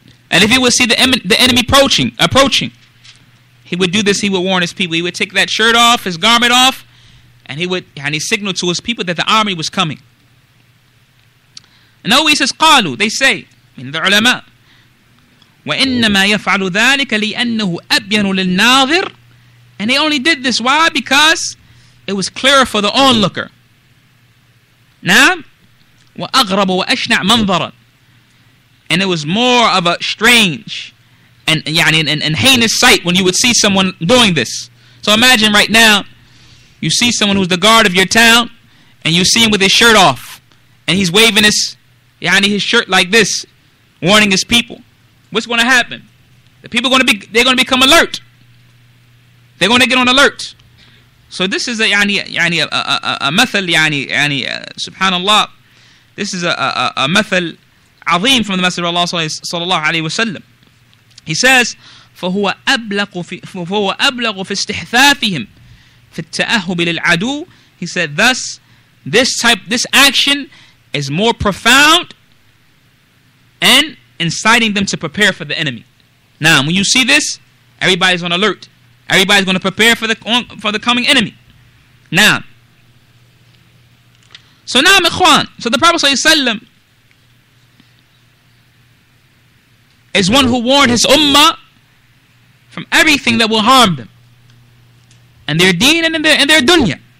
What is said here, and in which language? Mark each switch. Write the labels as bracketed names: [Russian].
[English] And if he will see the enemy approaching, he would do this. He would warn his people. He would take that shirt off, his garment off, and he would يعني, signal to his people that the army was coming. And always says qalu, they say in the ulama. [Arabic] وإنما يفعل ذلك لأنه أبين للناظر. [English] And they only did this. Why? Because it was clearer for the onlooker. نعم. [Arabic] وأغرب وأشنع منظرا. [English] And it was more of a strange and heinous sight when you would see someone doing this. So imagine right now, you see someone who's the guard of your town, and you see him with his shirt off, and he's waving his يعني, his shirt like this, warning his people. What's going to happen? The people are going to become alert. They're going to get on alert. So this is a يعني a method يعني subhanallah. This is a method عظيم from the Messenger of Allah [Arabic] صلى الله عليه وسلم. [English] He says, [Arabic] فهو أبلغ في استحثاثهم في التأهب للعدو. [English] He said, thus this action is more profound and inciting them to prepare for the enemy. Now, when you see this, everybody's on alert. Everybody's going to prepare for the coming enemy. Now, so now, ikhwan, so the Prophet sallallahu alaihi wasallam is one who warned his ummah from everything that will harm them and their deen and their dunya.